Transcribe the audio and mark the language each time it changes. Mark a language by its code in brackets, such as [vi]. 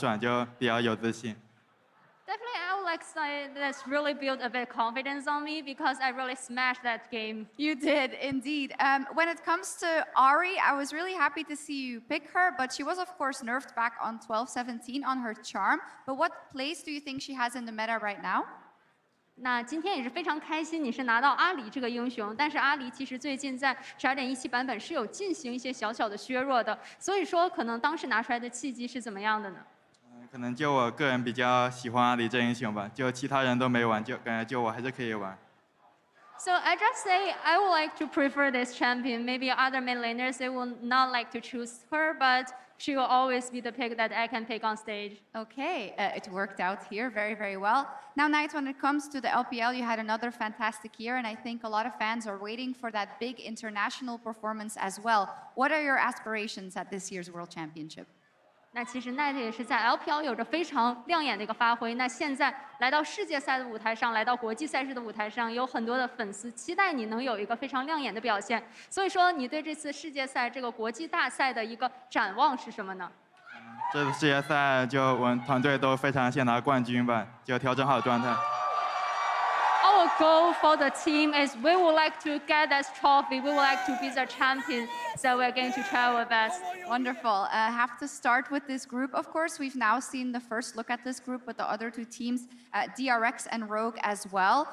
[en] Definitely, I would like to say that's really built a bit of confidence on me because I really smashed that game. You did, indeed. When it comes to Ahri, I was really happy to see you pick her, but she was, of course, nerfed back on 12-17 on her charm. But what place do you think she has in the meta right now? [zh] 那今天也是非常开心你是拿到阿里这个英雄，但是阿里其实最近在12.17版本是有进行一些小小的削弱的，所以说可能当时拿出来的契机是怎么样的呢？可能就我个人比较喜欢阿里这英雄吧，就其他人都没玩，就感觉就我还是可以玩。 [en] So I just say I would like to prefer this champion. Maybe other main laners, they will not like to choose her, but she will always be the pick that I can pick on stage. Okay, it worked out here very, very well. Now, Knight, when it comes to the LPL, you had another fantastic year, and I think a lot of fans are waiting for that big international performance as well. What are your aspirations at this year's World Championship? [zh] 那其实 Knight 也是在 LPL 有着非常亮眼的一个发挥。那现在来到世界赛的舞台上，来到国际赛事的舞台上，有很多的粉丝期待你能有一个非常亮眼的表现。所以说，你对这次世界赛这个国际大赛的一个展望是什么呢？这次世界赛就我们团队都非常想拿冠军吧，就调整好状态。 [en] Our goal for the team is we would like to get this trophy. We would like to be the champion, so we're going to try our best. Wonderful. I have to start with this group. Of course, we've now seen the first look at this group with the other two teams, DRX and Rogue as well.